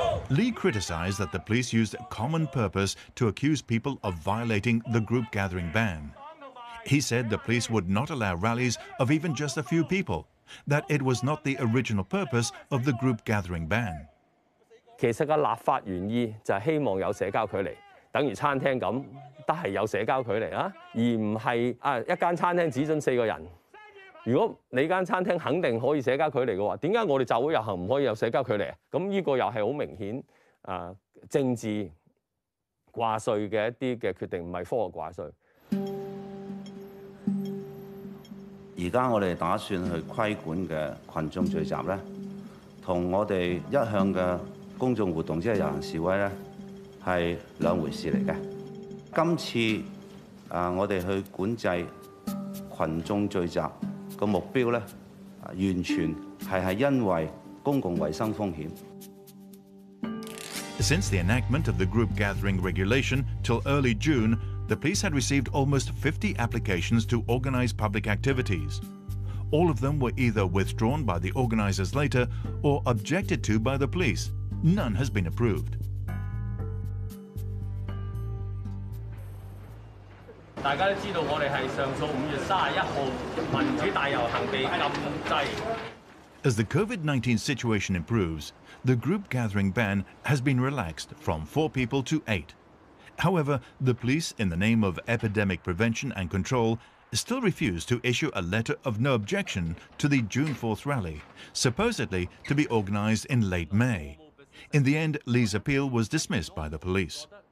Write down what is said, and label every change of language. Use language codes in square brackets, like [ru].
[en] Li criticized that the police used common purpose to accuse people of violating the group gathering ban. He said the police would not allow rallies of even just a few people, that it was not the original purpose of the group gathering ban. [yue] 其實個立法原意就係希望有社交距離，等於餐廳咁，都係有社交距離啦，而唔係一間餐廳只准4人。如果你間餐廳肯定可以社交距離嘅話，點解我哋集會遊行唔可以有社交距離？咁依個又係好明顯政治掛帥嘅一啲嘅決定，唔係科學掛帥。而家我哋打算去規管嘅群眾聚集咧，同我哋一向嘅公眾活動，即係遊行示威咧，係兩回事嚟嘅。今次我哋去管制群眾聚集。個目標咧，完全係因為公共衞生風險。 [en] Since the enactment of the group gathering regulation till early June, the police had received almost 50 applications to organise public activities. All of them were either withdrawn by the organisers later or objected to by the police. None has been approved. [yue] 大家都知道，我哋係上訴5月31號民主大遊行被禁制。 [en] As the COVID-19 situation improves, the group gathering ban has been relaxed from 4 people to 8. However, the police, in the name of epidemic prevention and control, still refuse to issue a letter of no objection to the June 4th rally, supposedly to be organised in late May. In the end, Li's appeal was dismissed by the police.